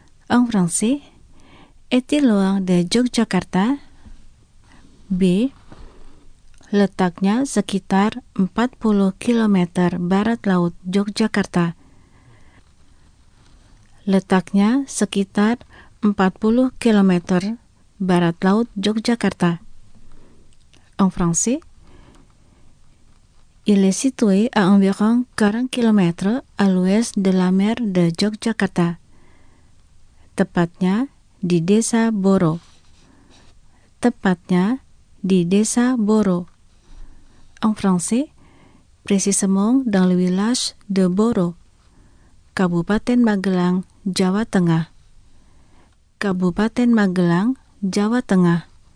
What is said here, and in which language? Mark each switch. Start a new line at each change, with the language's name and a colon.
French: En français, est-il loin de Yogyakarta? B.
Indonesian: Letaknya sekitar 40 km barat laut Yogyakarta. Letaknya sekitar 40 km barat laut Yogyakarta.
French: En français, il est situé à environ 40 km à l'ouest de la mer de Yogyakarta.
Indonesian: Tepatnya di desa Boro. Tepatnya di desa Boro.
French: En français, précisément dans le village de Boro.
Indonesian: Kabupaten Magelang, Jawa Tengah. Kabupaten Magelang, Jawa Tengah.